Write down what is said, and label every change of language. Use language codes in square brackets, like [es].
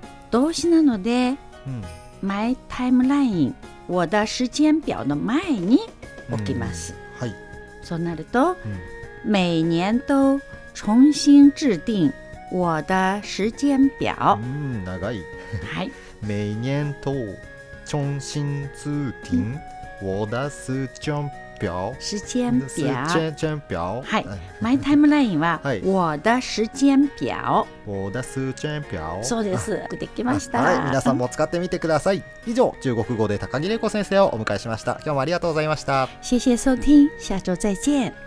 [ja] 動詞なので、うん、マイタイムライン、 [zh] 我的時間表 [ja] の前に置きます、うん、はい、そうなると、うん、 [zh] 每年都重新制定我的时间表。 [ja] 長い。はい。 [zh] 每年都重新制定我的时间表。时间表。 [ja] はい。 [en] My timeline [zh] は我的时间表。我的时间表。 [ja] そうです。よくできました。はい。皆さんも使ってみてください。以上、中国語で高木玲子先生をお迎えしました。今日もありがとうございました。 [zh] 谢谢收听，下周再见。